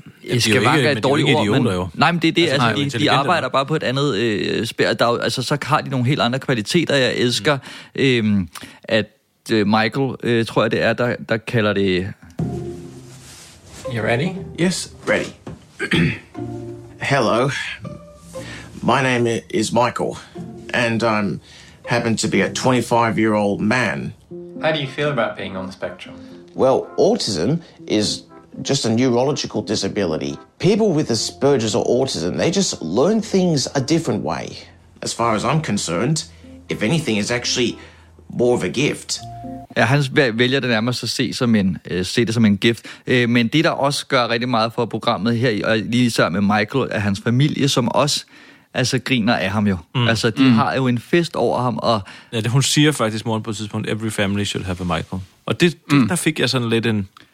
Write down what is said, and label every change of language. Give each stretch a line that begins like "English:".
Danish: Det skal være et dårligt ord, men nej, men det er det, altså, nej, de arbejder bare på et andet spær. Altså, så har de nogle helt andre kvaliteter. Jeg elsker, at Michael, tror jeg det er, der kalder det...
English: You ready? Yes, ready. Hello, my name is Michael, and I'm happen to be a 25-year-old man. How do you feel about being on the spectrum? Well, autism is... just a neurological disability. People with Asperger's or autism, they just learn things a different way. As far as I'm concerned, if anything, is actually more of a gift.
Danish: Ja, han vælger det nærmest at se det som en gift. Men det, der også gør rigtig meget for programmet her, og lige især med Michael, er hans familie, som også altså griner af ham jo. Mm. Altså, de har jo en fest over ham. Og ja, det, hun siger faktisk morgen på et tidspunkt,
English: every family should have a Michael.
Danish: Og det der fik jeg sådan lidt en...